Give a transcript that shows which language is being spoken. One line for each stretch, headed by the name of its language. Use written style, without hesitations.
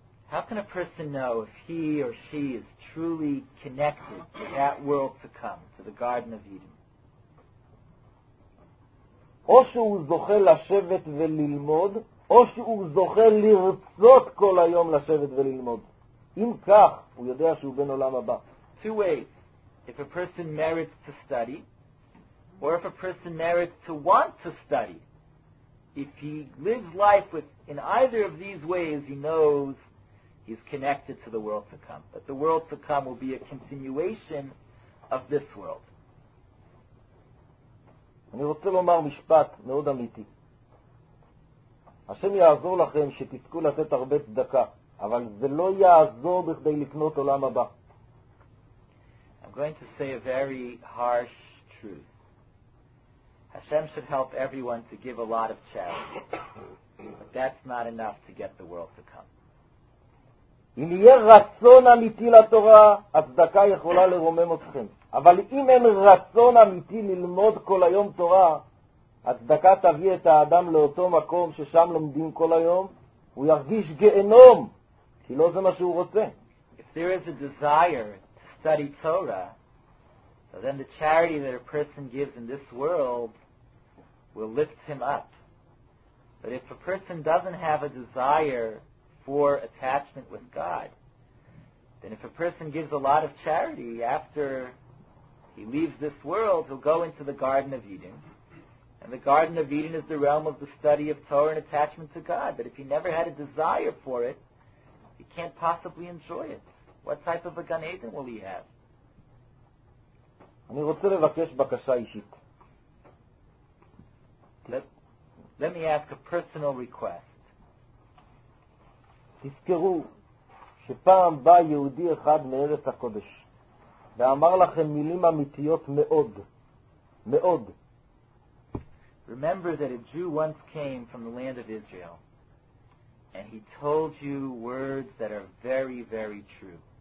English: How can a person know if he or she is truly connected to that world to come, to the Garden of Eden?
Hebrew: או שהוא זוכה לשבת וללמוד, או שהוא זוכה לרצות כל היום לשבת וללמוד. אם כך, הוא יודע שהוא בן עולם הבא.
English: Two ways. If a person merits to study, or if a person merits to want to study, if he lives life with, in either of these ways, he knows he's connected to the world to come. But the world to come will be a continuation of this world.
Hebrew: אני רוצה לומר משפט מאוד אמיתי. השם יעזור לכם שתזכו לתת הרבה צדקה, אבל זה לא יעזור בכדי לקנות עולם הבא.
English: I'm going to say a very harsh truth. Hashem should help everyone to give a lot of charity, but that's not enough to get the world to come.
Hebrew: אם יהיה רצון אמיתי לתורה, הצדקה יכולה לרומם אתכם. אבל אם אין רצון אמיתי ללמוד כל היום תורה, הצדקה תביא את האדם לאותו מקום ששם לומדים כל היום, הוא ירגיש גיהנום, כי לא זה מה שהוא רוצה.
English: If there is a desire to study Torah, so then the charity that a person gives in this world will lift him up. But if a person doesn't have a desire for attachment with God, then if a person gives a lot of charity after he leaves this world, he'll go into the Garden of Eden. And the Garden of Eden is the realm of the study of Torah and attachment to God. But if he never had a desire for it, he can't possibly enjoy it. What type of a Gan Eden will he have?
Hebrew: אני רוצה לבקש בקשה אישית.
English: Let me ask a personal request.
Hebrew: תזכרו שפעם בא יהודי אחד מארץ הקודש ואמר לכם מילים אמיתיות מאוד, מאוד.
English: Remember that a Jew once came from the land of Israel and he told you words that are very, very true.